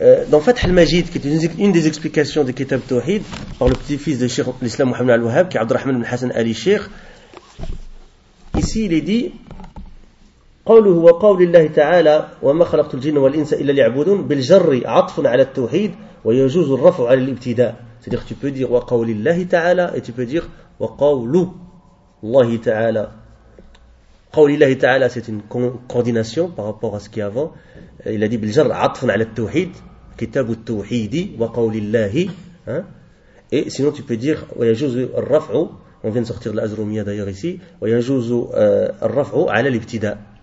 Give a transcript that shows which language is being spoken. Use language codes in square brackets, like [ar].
[fr] Dans Fath al-Majid, qui est une des explications de Kitab Tawhid, par le petit-fils de Cheikh l'Islam Mohammed al-Wahhab, qui est Abdurrahman ibn Hassan Ali Sheikh, ici il est dit « [ar] Qawluhu wa qawlillahi ta'ala wa ma khalaqtul djinn wal insa illa li'abudun bil jarri atfun ala tawhid » ويجوز الرفع على الابتداء. [fr] C'est-à-dire que tu peux dire [ar] وقول الله تعالى [fr] et tu peux dire وقول الله تعالى. [ar] قول الله تعالى [fr] c'est une coordination par rapport à ce qui est avant. Il a dit [ar] بالجر عطف على التوحيد كتاب التوحيد وقول الله. [fr] Et sinon tu peux dire [ar] ويجوز الرفع, [fr] on vient de sortir de l'Azrumiyya d'ailleurs ici, [ar] ويجوز الرفع على الابتداء.